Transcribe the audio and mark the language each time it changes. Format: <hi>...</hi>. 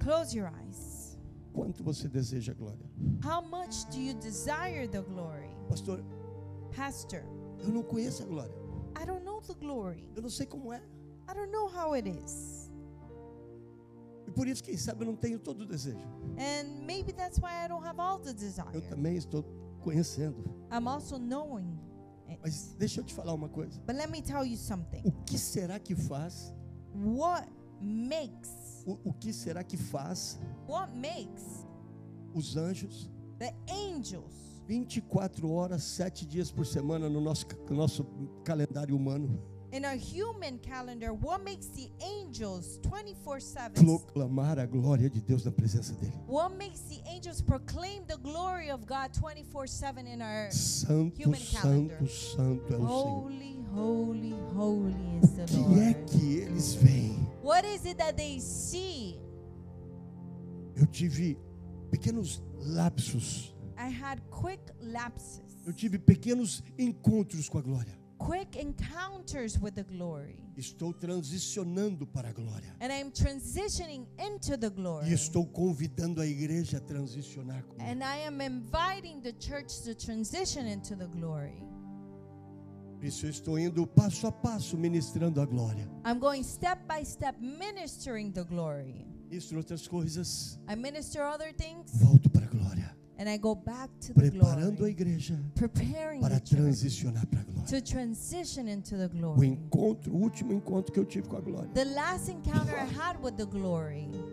<en>Close your eyes.</en> <pt>Quanto você deseja a glória?</pt> <en>How much do you desire the glory?</en> <pt>Pastor.</pt> <en>Pastor.</en> <pt>Eu não conheço a glória.</pt> <en>I don't know the glory.</en> <pt>Eu não sei como é.</pt> <en>I don't know how it is.</en> <pt>E por isso, quem sabe, eu não tenho todo o desejo.</pt> <en>And maybe that's why I don't have all the desire.</en> <pt>Eu também estou conhecendo.</pt> <en>I'm also knowing it.</en> <pt>Mas deixa eu te falar uma coisa.</pt> <en>But let me tell you something.</en> <pt>O que será que faz?</pt> <en>What makes?</en> <pt>O que será que faz?</pt> <en>What makes?</en> <pt>Os anjos.</pt> <en>The angels.</en> <pt>24 horas, 7 dias por semana no nosso calendário humano.</pt> <en>In our human calendar, what makes the angels 24/7</en> <pt>proclamar a glória de Deus na presença dele?</pt> <en>What makes the angels proclaim the glory of God 24/7 in our</en> <pt>santo,</pt> <en>human calendar?</en> <pt>Santo, santo é o</pt> <en>holy,</en> <pt>Senhor.</pt> <en>Holy, holy, holy is the</en> <pt>que Que é que eles veem?</pt> <en>What is it that they see?</en> <pt>Eu tive pequenos lapsos.</pt> <en>I had quick lapses.</en> <pt>Eu tive pequenos encontros com a glória.</pt> <en>Quick encounters with the glory.</en> <pt>Estou transicionando para a glória.</pt> <en>And I'm transitioning into the glory.</en> <pt>E estou convidando a igreja a transicionar comigo.</pt> <en>And I am inviting the church to transition into the glory.</en> <pt>Por isso eu estou indo passo a passo ministrando a glória.</pt> <en>I'm going step by step ministering the glory.</en> <pt>Ministro outras coisas.</pt> <en>I minister other things.</en> <pt>Volto para a glória.</pt> <en>And I go back to</en> <pt>preparando</pt> <en>the glory,</en> <pt>a igreja para transicionar para a glória.</pt> <en>To transition into the glory.</en> <pt>O encontro, o último encontro que eu tive com a glória.</pt> <en>The last encounter I had with the glory.</en>